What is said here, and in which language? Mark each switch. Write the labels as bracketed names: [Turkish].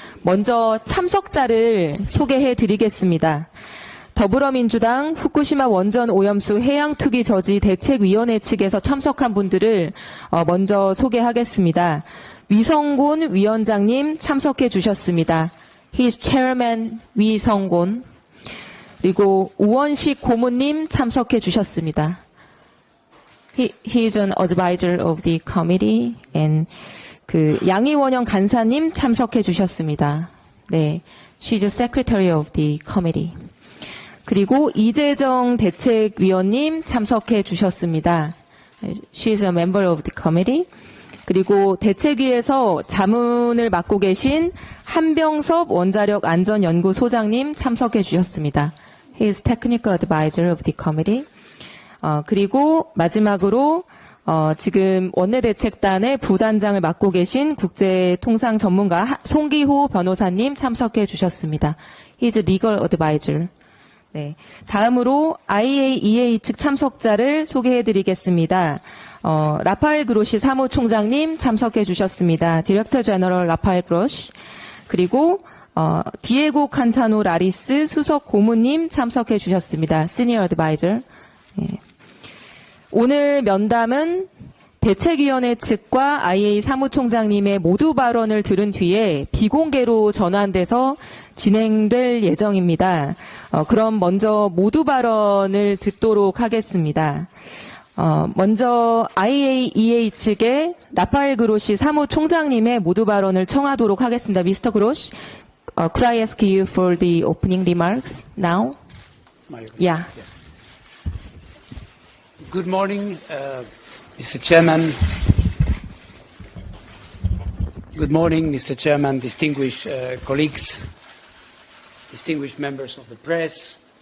[Korean] 먼저 참석자를 소개해 드리겠습니다. 더불어민주당 후쿠시마 원전 오염수 해양투기 저지 대책위원회 측에서 참석한 분들을 먼저 소개하겠습니다. 위성곤 위원장님 참석해 주셨습니다. [English] He is Chairman 위성곤. [Korean] 그리고 우원식 고문님 참석해 주셨습니다. [English] He is an advisor of the committee and [Korean] 그 양희원영 간사님 참석해 주셨습니다. 네, [English] she is the secretary of the committee. [Korean] 그리고 이재정 대책위원님 참석해 주셨습니다. [English] She is a member of the committee. [Korean] 그리고 대책위에서 자문을 맡고 계신 한병섭 원자력 안전연구소장님 참석해 주셨습니다. [English] He is technical advisor of the committee. [Korean] 그리고 마지막으로 지금 원내대책단의 부단장을 맡고 계신 국제통상 전문가 송기호 변호사님 참석해 주셨습니다. [English] He is a legal advisor. [Korean] 네, 다음으로 IAEA 측 참석자를 소개해 드리겠습니다. 라파엘 그로시 사무총장님 참석해 주셨습니다. [English] 디렉터 제너럴 [Korean] 라파엘 그로시. 그리고 디에고 칸타노 라리스 수석 고문님 참석해 주셨습니다. [English] 시니어 어드바이저. [Korean] 네. 오늘 면담은 대책위원회 측과 IA 사무총장님의 모두 발언을 들은 뒤에 비공개로 전환돼서 진행될 예정입니다. 그럼 먼저 모두 발언을 듣도록 하겠습니다. 먼저 IAEA 측의 라파엘 그로시 사무총장님의 모두 발언을 청하도록 하겠습니다. [English] Mr. Grosh, could I ask you for the opening remarks now? Yeah. Good morning, Mr. Chairman. Good morning, Mr. Chairman, distinguished colleagues, distinguished members of the press.